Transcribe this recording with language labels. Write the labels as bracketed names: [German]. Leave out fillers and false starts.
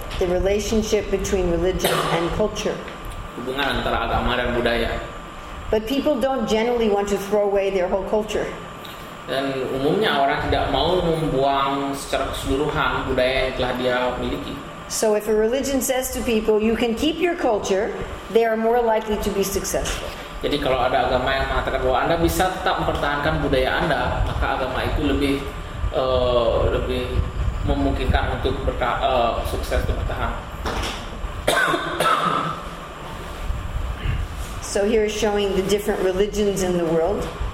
[English] The relationship between religion and culture. [Indonesian] Hubungan antara agama dan budaya. [English] But people don't generally want to throw away their whole culture. [Indonesian] Dan umumnya orang tidak mau membuang secara keseluruhan budaya yang telah dia miliki. [English] So if a religion says to people, you can keep your culture, they are more likely to be successful. [Indonesian] Jadi kalau ada agama yang mengatakan bahwa Anda bisa tetap mempertahankan budaya Anda, maka agama itu lebih memungkinkan untuk sukses dan bertahan. [English] So here is showing the different religions in the world.